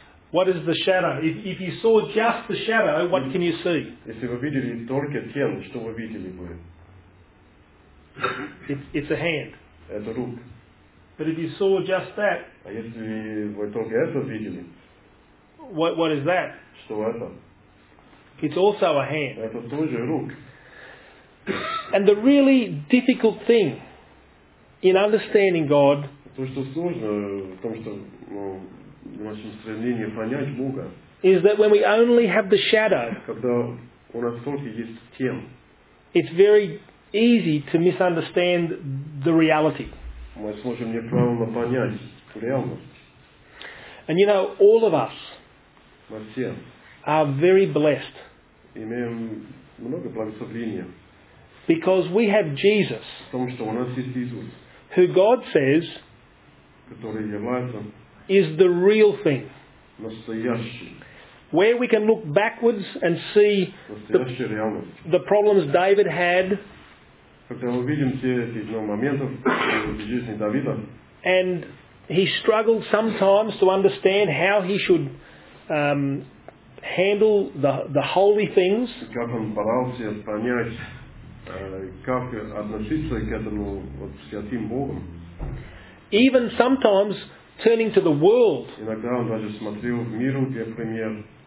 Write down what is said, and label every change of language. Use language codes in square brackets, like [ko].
[en] What is the shadow? If you saw just the shadow, what can you see? [ru] Если вы видели только тень, что вы видели бы? [en] It's a hand. [ru] Это рук. [en] But if you saw just that, [ru] а если вы только это видели? [en] What is that? [ru] Что это? [en] It's also a hand. [ru] Это тоже рук. [en] And the really difficult thing in understanding God, [ru] то, что сложно в том, что, ну, в нашем стремлении понять Бога, [en] is that when we only have the shadow, [ru] когда у нас только есть тень, [en] it's very easy to misunderstand the reality. [ru] Мы сможем неправильно понять реальность. [en] And you know, all of us, [ru] мы все, [en] are very blessed. [ru] Имеем много благословения. [en] Because we have Jesus, [ru] в том, что у нас есть Иисус, [en] who God says, [ru] который является, [en] is the real thing. [ru] Настоящий. [en] Where we can look backwards and see the problems David had, [ru] когда мы видим все эти моменты в жизни Давида, [en] and he struggled sometimes to understand how he should handle the holy things. [ru] Как он боролся понять, как относиться к этому вот святым Богом. [en] Even sometimes turning to the world. [ru] Иногда он даже смотрел в мир, где пример.